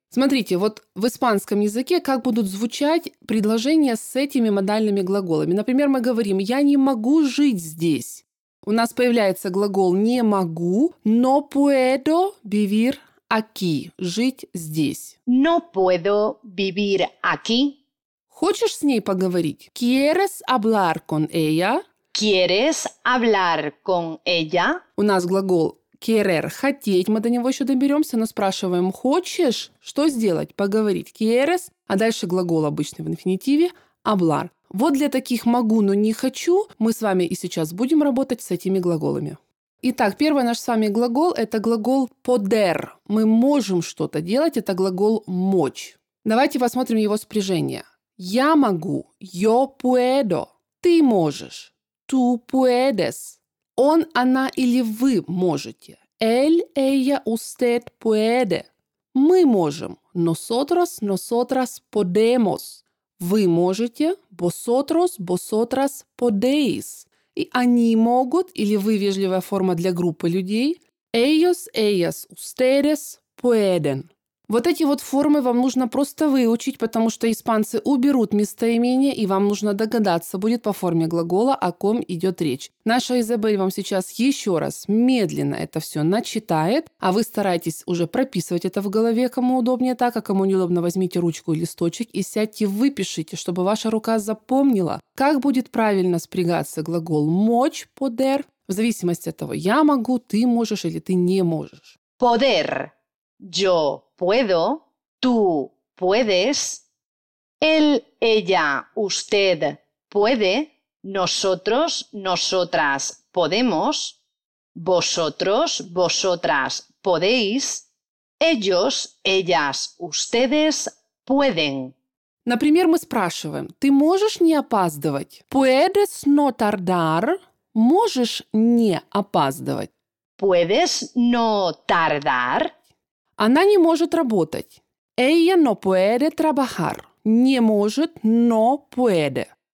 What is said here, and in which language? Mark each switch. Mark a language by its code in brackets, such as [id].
[ru] Смотрите, вот в испанском языке как будут звучать предложения с этими модальными глаголами. Например, мы говорим «я не могу жить здесь». У нас появляется глагол «не могу», [es] «no puedo vivir aquí» [ru] – «жить здесь». [es] «No puedo vivir aquí». [ru] Хочешь с ней поговорить? [es] «Quieres hablar con ella?» «Quieres hablar con ella?» [ru] У нас глагол «querer» – «хотеть». Мы до него еще доберемся, но спрашиваем «хочешь?» Что сделать? Поговорить. «Quieres?» А дальше глагол обычный в инфинитиве «hablar». Вот для таких «могу, но не хочу» мы с вами и сейчас будем работать с этими глаголами. Итак, первый наш с вами глагол – это глагол «poder». Мы можем что-то делать – это глагол «мочь». Давайте посмотрим его спряжение. «Я могу» – [es] «yo puedo». [ru] «Ты можешь» – [es] «tú puedes». [ru] «Он, она или вы можете» – [es] «él, ella, usted puede». [ru] «Мы можем» – [es] «nosotros, nosotras podemos». [ru] «Вы можете» – [es] «vosotros, vosotras podéis». [ru] И «они могут» или «вы» – вежливая форма для группы людей. «Ellos, ellas, ustedes pueden». Вот эти вот формы вам нужно просто выучить, потому что испанцы уберут местоимение, и вам нужно догадаться будет по форме глагола, о ком идет речь. Наша Изабель вам сейчас еще раз медленно это все начитает, а вы старайтесь уже прописывать это в голове, кому удобнее так, а кому неудобно, возьмите ручку и листочек и сядьте, выпишите, чтобы ваша рука запомнила, как будет правильно спрягаться глагол «мочь» – «poder», в зависимости от того, «я могу», «ты можешь» или «ты не можешь». [es] «Poder». «Yo puedo», «tú puedes», «él, ella, usted puede», «nosotros, nosotras podemos», «vosotros, vosotras podéis», «ellos, ellas, ustedes pueden». [ru] Например, мы спрашиваем, «ты можешь не опаздывать?» [es] «Puedes no tardar?» [ru] «Можешь не опаздывать?» [es] «Puedes no tardar?» [ru] Она не может работать. [es] Ella no puede trabajar. [ru] Не может, но [es] puede.